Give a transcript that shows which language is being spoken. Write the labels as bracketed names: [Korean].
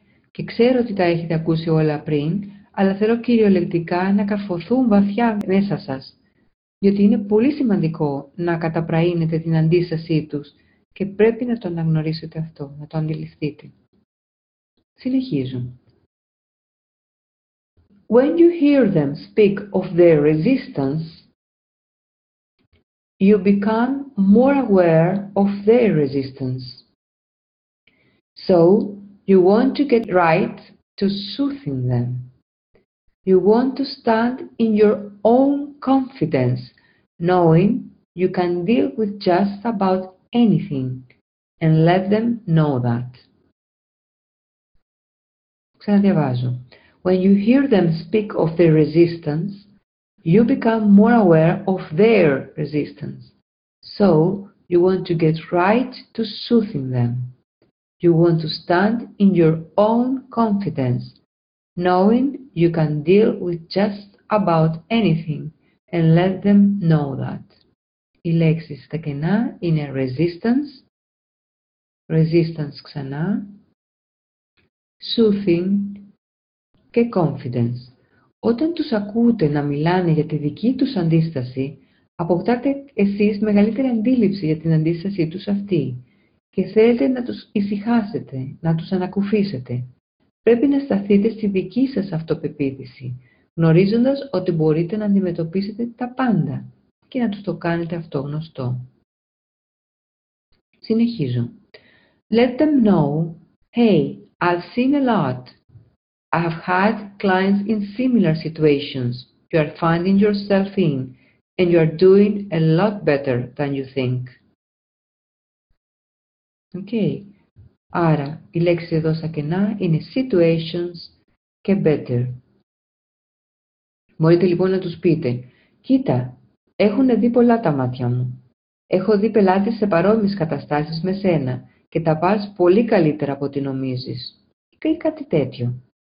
[Greek] Και ξέρω ότι τα έχετε ακούσει όλα πριν, αλλά θέλω κυριολεκτικά να καρφωθούν βαθιά μέσα σας, διότι είναι πολύ σημαντικό να καταπραίνετε την αντίστασή τους και πρέπει να το αναγνωρίσετε αυτό, να το αντιληφθείτε. Συνεχίζω. [English] When you hear them speak of their resistance, you become more aware of their resistance. So, you want to get right to soothing them. You want to stand in your own confidence, knowing you can deal with just about anything, and let them know that. [Greek] Ξαναδιαβάζω. [English] When you hear them speak of their resistance, you become more aware of their resistance. So, you want to get right to soothing them. You want to stand in your own confidence, knowing you can deal with just about anything and let them know that. [Greek] Η λέξη στεκενά είναι resistance, resistance ξανά, soothing και confidence. Όταν τους ακούτε να μιλάνε για τη δική τους αντίσταση, αποκτάτε εσείς μεγαλύτερη αντίληψη για την αντίστασή τους αυτή και θέλετε να τους ησυχάσετε, να τους ανακουφίσετε. Πρέπει να σταθείτε στη δική σας αυτοπεποίθηση, γνωρίζοντας ότι μπορείτε να αντιμετωπίσετε τα πάντα και να τους το κάνετε αυτό γνωστό. Συνεχίζω. [English] Let them know, hey, I've seen a lot. I've had clients in similar situations you are finding yourself in and you are doing a lot better than you think. Okay. [Greek] Άρα, οι λέξεις εδώ στα κενά είναι situations και better. Μπορείτε λοιπόν να τους πείτε, κοίτα, έχουν δει πολλά τα μάτια μου. Έχω δει πελάτες σε παρόμοιες καταστάσεις με σένα και τα πας πολύ καλύτερα από ό,τι νομίζεις. Ή κάτι τέτοιο.